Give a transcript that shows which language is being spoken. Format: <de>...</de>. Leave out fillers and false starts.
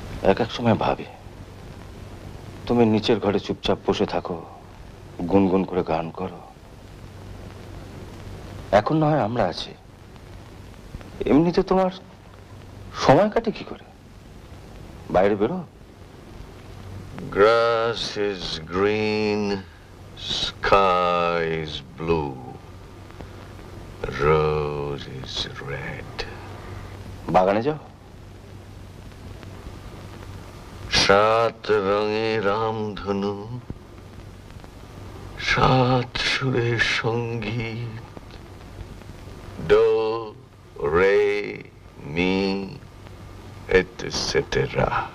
<bn>এক এক সময় ভাবি তুমি নিচের ঘরে চুপচাপ বসে থাকো, গুনগুন করে গান করো, এখন না হয় আমরা আছি, এমনিতে তোমার সময় কাটে কি করে? বাইরে বেরো।</bn> <en>Grass is green, sky is blue, rose is red.</en> <bn>বাগানে যাও। সাত রঙে রামধনু, সাত সুরে সঙ্গীত, ডো রে মি এটসেটেরা।</bn>